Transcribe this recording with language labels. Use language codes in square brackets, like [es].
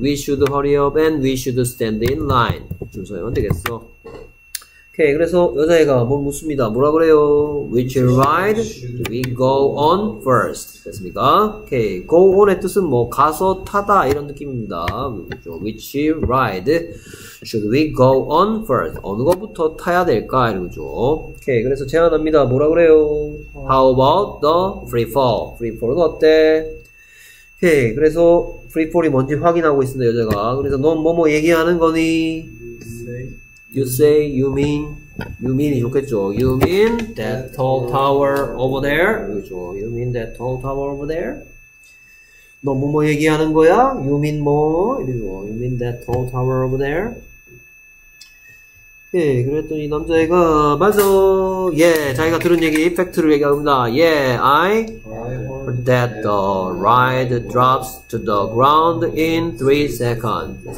[en] We should hurry up and we should stand in line. [ko] 주소에만 되겠어. 오케이, 그래서 여자애가 뭐 묻습니다. 뭐라 그래요? [en] Which ride do we go on first? [ko] 됐습니까? 오케이, go on의 뜻은 뭐 가서 타다 이런 느낌입니다. [en] Which ride should we go on first? [ko] 어느 것부터 타야 될까? 이러죠. 오케이, 그래서 제안합니다. 뭐라 그래요? [en] How about the free fall? [ko] Free fall은 어때? 오케이, 그래서 free fall이 뭔지 확인하고 있습니다, 여자가. 그래서 넌 뭐뭐 얘기하는 거니? [en] You say, you mean이 좋겠죠. You mean that tall tower over there? [ko] 그렇죠. [en] You mean that tall tower over there? [ko] 너 뭐뭐 얘기하는 거야? [en] You mean 뭐? [ko] 이러죠. [en] You mean that tall tower over there? [ko] 예, 그랬더니 남자애가, 맞아. 예, 자기가 들은 얘기, 팩트를 얘기합니다. [en] 예, I heard that the ride drops to the ground in 3 seconds.